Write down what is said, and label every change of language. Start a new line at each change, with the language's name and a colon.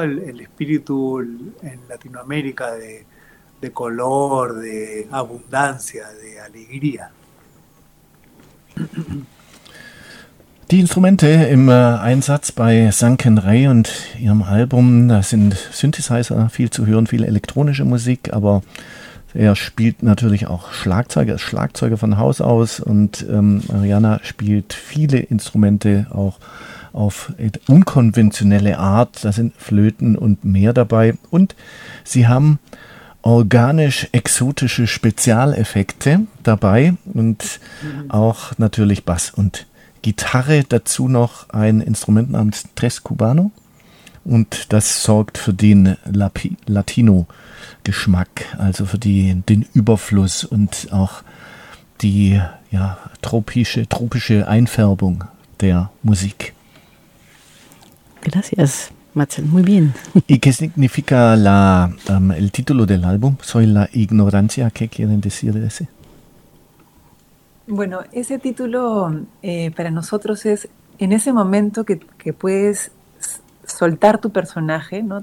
Spanish: El espíritu en Latinoamérica de color, de abundancia, de alegría.
German: Die Instrumente im Einsatz bei Sunken Ray und ihrem Album, da sind Synthesizer viel zu hören, viel elektronische Musik, aber er spielt natürlich auch Schlagzeug, er ist Schlagzeuger von Haus aus und Mariana spielt viele Instrumente, auch auf unkonventionelle Art. Da sind Flöten und mehr dabei. Und sie haben organisch-exotische Spezialeffekte dabei und auch natürlich Bass und Gitarre. Dazu noch ein Instrument namens Tres Cubano. Und das sorgt für den Latino-Geschmack, also für den Überfluss und auch die tropische Einfärbung der Musik.
Spanish: Gracias, Marcel. Muy bien. ¿Y qué significa el título del álbum? ¿Soy la ignorancia? ¿Qué quieren decir de ese? Bueno, ese título para nosotros es en ese momento que puedes soltar tu personaje, ¿no?